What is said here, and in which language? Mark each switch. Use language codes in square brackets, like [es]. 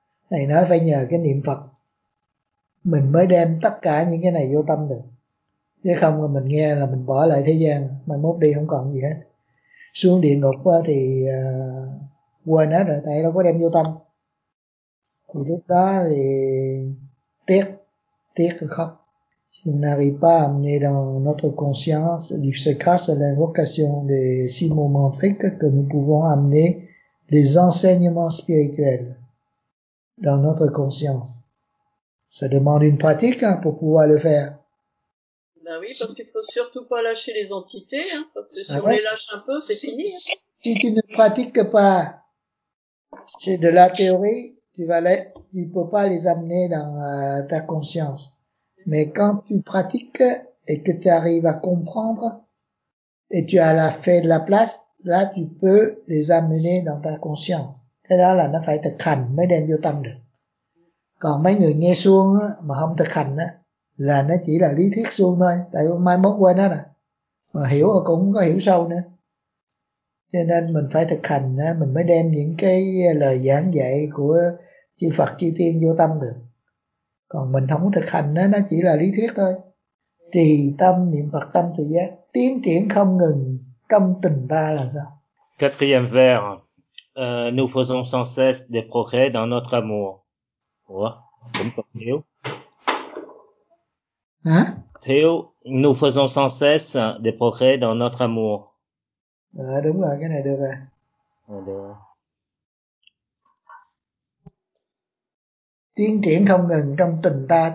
[vi] Thầy nói phải nhờ cái niệm Phật mình mới đem tất cả những cái này vô tâm được, chứ không là mình nghe là mình bỏ lại thế gian, mai mốt đi không còn gì hết. Xuống địa ngục thì quên hết rồi, tại đâu có đem vô tâm. Thì lúc đó thì tiếc, tiếc rồi khóc. [fr] Je n'arrive pas à amener dans notre conscience l'Ipsekas, l'invocation de Simon Mantrik, que nous pouvons amener les enseignements spirituels dans notre conscience. Ça demande une pratique hein, pour pouvoir le faire. Ben oui, parce qu'il faut surtout pas lâcher les entités, hein, parce que si on les lâche un peu, c'est fini. Si tu ne pratiques pas, c'est de la théorie, tu peux pas les amener dans ta conscience. Mais quand tu pratiques et que tu arrives à comprendre et tu as la fait de la place, là tu peux les amener dans ta conscience. [vi] Thế đó là nó phải thực hành mới đem vô tâm được. Còn mấy người nghe suông mà không thực hành á, là nó chỉ là lý thuyết suông thôi, tại mai mốt quên hết à. Mà hiểu rồi cũng không có hiểu sâu nữa. Cho nên mình phải thực hành á, mình mới đem những cái lời giảng dạy của chư Phật chư Tiên vô tâm được. Còn mình không thực hành đó, nó chỉ là lý thuyết thôi. Trì tâm niệm Phật tâm tự giác, tiến triển không ngừng trong tình ta là sao? [fr] Quatrième vers, nous faisons sans cesse des progrès dans notre amour. [vi] Ủa, cũng còn thiếu. Hả? Thiếu, [fr] nous faisons sans cesse des progrès dans notre amour. [vi] À, đúng rồi, cái này được rồi. À, được rồi. Tiến triển không ngừng trong tình ta.